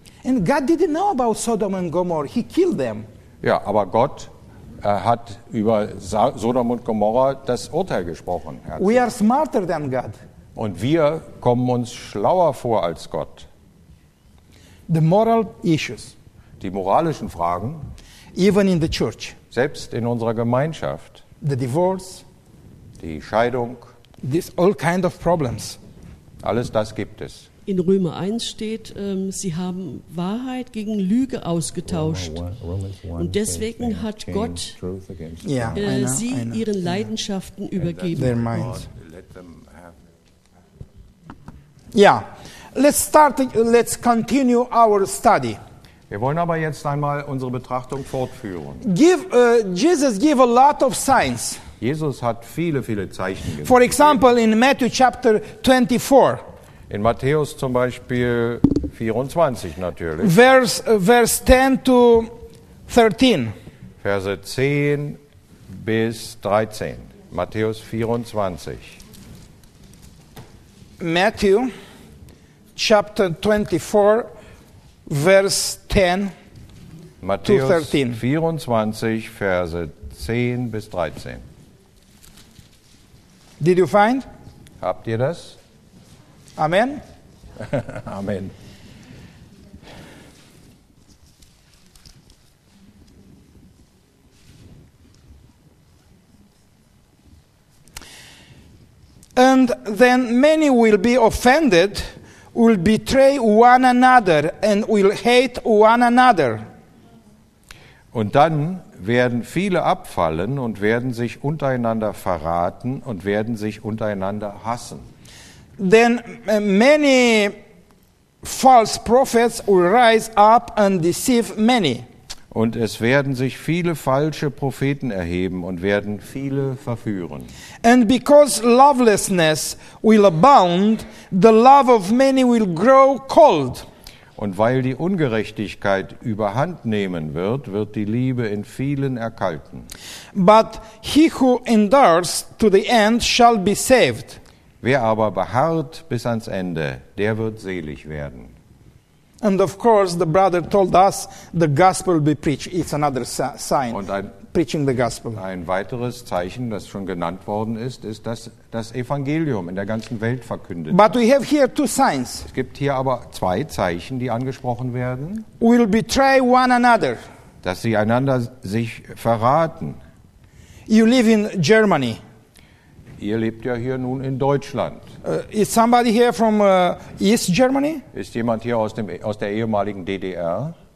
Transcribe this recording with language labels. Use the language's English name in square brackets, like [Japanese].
[English] And God didn't know about Sodom and Gomorrah. He killed them. [German] Ja, aber Gott hat über Sodom und Gomorra das Urteil gesprochen. [English] We are smarter than God. [German] Und wir kommen uns schlauer vor als Gott. [English] The moral issues. [German] Die moralischen Fragen. [English] Even in the church. [German] Selbst in unserer Gemeinschaft. [English] The divorce. [German] Die Scheidung. [English] These all kind of problems. [German] Alles das gibt es. In Römer 1 steht, sie haben Wahrheit gegen Lüge ausgetauscht. Und deswegen hat Gott sie ihren Leidenschaften übergeben. [English] Ja, let's continue our study. [German] Wir wollen aber jetzt einmal unsere Betrachtung fortführen. [English] Jesus gave a lot of signs. [German] Jesus hat viele, viele Zeichen gegeben. [English] For example, in Matthew chapter 24. [German] In Matthäus zum Beispiel 24 natürlich. [English] Verse 10 to 13. [German] Verse 10 bis 13. Matthäus 24. [English] Matthew chapter 24, verse 10 [German] Matthäus to 13. Matthäus 24, Verse 10 bis 13. [English] Did you find? [German] Habt ihr das? [English] Amen. [German] Amen. [English] And then many will be offended, will betray one another, and will hate one another. [German] Und dann werden viele abfallen und werden sich untereinander verraten und werden sich untereinander hassen. [English] Then many false prophets will rise up and deceive many. [German] Und es werden sich viele falsche Propheten erheben und werden viele verführen. [English] And because lovelessness will abound, the love of many will grow cold. [German] Und weil die Ungerechtigkeit überhand nehmen wird, wird die Liebe in vielen erkalten. [English] But he who endures to the end shall be saved. [German] Wer aber beharrt bis ans Ende, der wird selig werden. [English] And of course the brother told us the gospel be preached. It's another sign. Und preaching the gospel. [German] Ein weiteres Zeichen, das schon genannt worden ist, ist, dass das Evangelium in der ganzen Welt verkündet [English] But we have here two signs. [German] Es gibt hier aber zwei Zeichen, die angesprochen werden. [English] Will betray one another. [German] Dass sie einander sich verraten. [English] You live in Germany. [German] Ihr lebt ja hier nun in Deutschland. [English] Is somebody here from East Germany? [German] Ist jemand hier aus der ehemaligen DDR?